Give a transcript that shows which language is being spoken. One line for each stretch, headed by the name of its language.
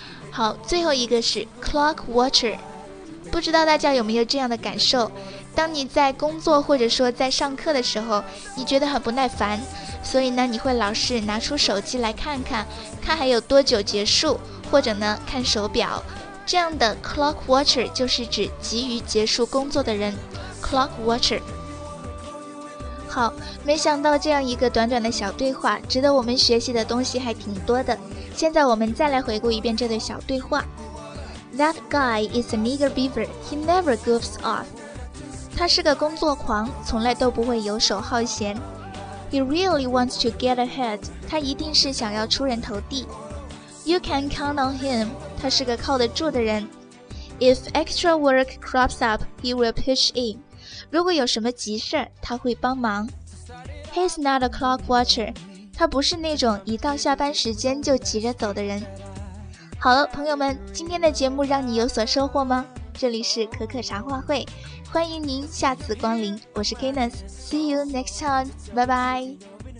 Chinese: 好，最后一个是 clock watcher。不知道大家有没有这样的感受，当你在工作或者说在上课的时候，你觉得很不耐烦，所以呢你会老是拿出手机来看看，看还有多久结束，或者呢看手表。这样的 clock watcher 就是指急于结束工作的人， clock watcher。好，没想到这样一个短短的小对话，值得我们学习的东西还挺多的。现在我们再来回顾一遍这对小对话。
English: That guy is a nigger beaver. He never goofs off.
Chinese: 他是个工作狂，从来都不会游手好闲。
English: He really wants to get ahead.
Chinese: 他一定是想要出人头地。
English: You can count on him. 他是个靠得住的人。 If extra work crops up, he will pitch in.
Chinese: 如果有什么急事，他会帮忙。
English: He's not a clock watcher.
Chinese: 他不是那种一到下班时间就急着走的人。好了，朋友们，今天的节目让你有所收获吗？这里是可可茶话会，欢迎您下次光临。我是 Kenneth. See you next time. Bye bye.